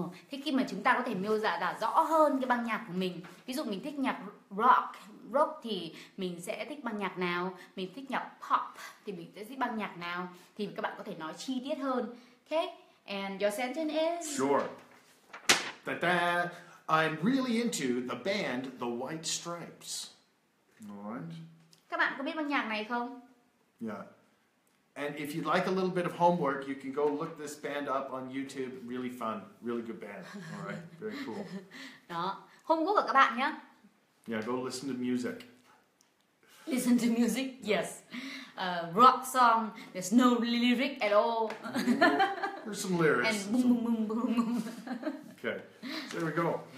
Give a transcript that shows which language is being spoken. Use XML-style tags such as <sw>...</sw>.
<vi>Thế khi mà chúng ta có thể miêu tả rõ hơn cái băng nhạc của mình. Ví dụ mình thích nhạc rock thì mình sẽ thích băng nhạc nào? Mình thích nhạc pop thì mình sẽ thích băng nhạc nào? Thì các bạn có thể nói chi tiết hơn.</vi> <en>Okay? And your sentence is? Sure. Ta-da. I'm really into the band The White Stripes. Alright.</en> <vi>Các bạn có biết băng nhạc này không?</vi> <en>Yeah. And if you'd like a little bit of homework, you can go look this band up on YouTube. Really fun. Really good band. Alright. Very cool.</en> <vi>Đó. Homework của các bạn nhé.</vi> <en>Yeah, go listen to music. Listen to music? Yes. Rock song. There's no lyric at all. There's some lyrics. And boom, boom, boom, boom, boom. Okay, there we go.</en>